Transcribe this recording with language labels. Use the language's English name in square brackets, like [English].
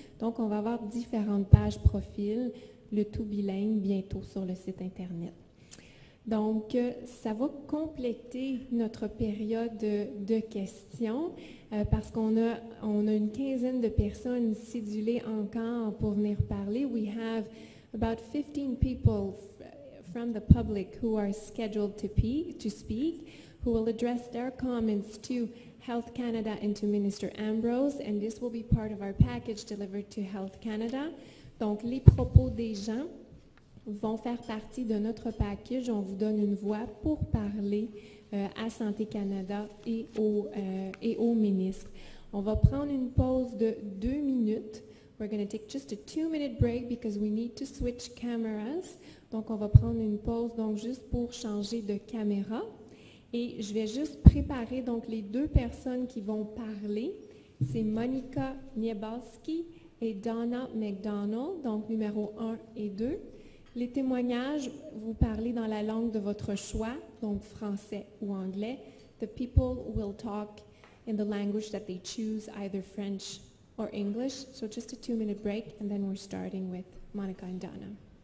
[French] Donc, on va avoir différentes pages profils, le tout bilingue, bientôt sur le site Internet. Donc, ça va compléter notre période de questions parce qu'on a une quinzaine de personnes cédulées encore pour venir parler. [English] We have about 15 people from the public who are scheduled to speak, who will address their comments to Health Canada and to Minister Ambrose, and this will be part of our package delivered to Health Canada. [French] Donc, les propos des gens vont faire partie de notre package. On vous donne une voix pour parler à Santé Canada et au ministre. On va prendre une pause de 2 minutes. [English] We're going to take just a 2-minute break because we need to switch cameras. [French] Donc, on va prendre une pause donc juste pour changer de caméra. Et je vais juste préparer donc les deux personnes qui vont parler. C'est Monica Niebalski et Donna McDonald, donc numéro 1 et 2. Les témoignages, vous parlez dans la langue de votre choix, donc français ou anglais. [English] The people will talk in the language that they choose, either French or English. So just a 2-minute break, and then we're starting with Monica and Donna.